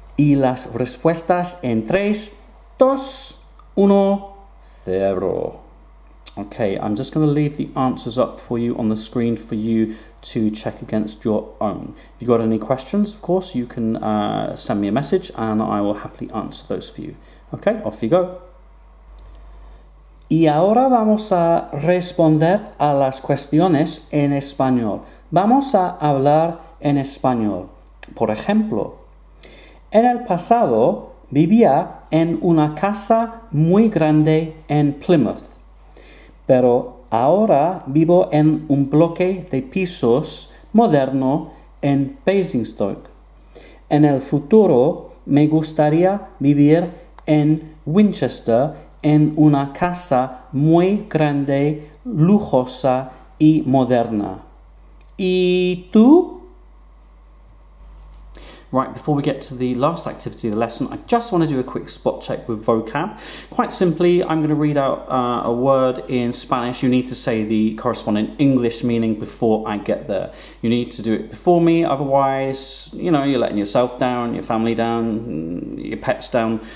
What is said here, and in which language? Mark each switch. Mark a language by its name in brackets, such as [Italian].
[Spanish] Y las respuestas en 3, 2, 1, 0. [English] Okay, I'm just going to leave the answers up for you on the screen for you to check against your own. If you've got any questions, of course, you can send me a message and I will happily answer those for you. Okay, off you go. [Spanish] Y ahora vamos a responder a las cuestiones en español. Vamos a hablar en español. Por ejemplo, en el pasado vivía en una casa muy grande en Plymouth, pero ahora vivo en un bloque de pisos moderno en Basingstoke. En el futuro me gustaría vivir en Winchester, en una casa muy grande, lujosa y moderna. ¿Y tú? [English] Right, before we get to the last activity of the lesson, I just want to do a quick spot check with vocab. Quite simply, I'm going to read out a word in Spanish. You need to say the corresponding English meaning before I get there. You need to do it before me, otherwise, you know, you're letting yourself down, your family down, your pets down.